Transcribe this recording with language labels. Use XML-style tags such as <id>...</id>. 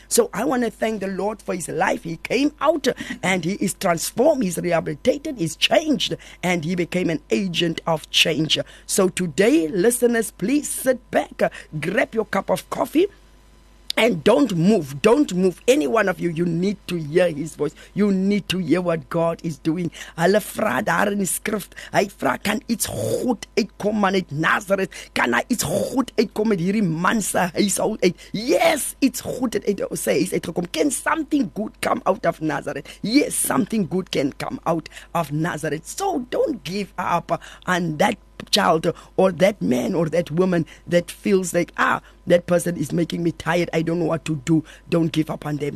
<en>So I want to thank the Lord for his life. He came out and he is transformed, he's rehabilitated, he's changed, and he became an agent of change. So today, listeners, please sit back, grab your cup of coffee, and don't move. Any one of you, you need to hear his voice. You need to hear what God is doing.</en> <af>Hulle vra daar in die skrif, hy vra, kan iets goed uitkom man uit Nazareth? Kan daar iets goed uitkom met hierdie man se huishoud uit? Yes, iets goed het uit sy huis uitgekom.</af> <en>Can something good come out of Nazareth? Yes, something good can come out of Nazareth. So don't give up on that child or that man or that woman that feels like, that person is making me tired, I don't know what to do. Don't give up on them.</en>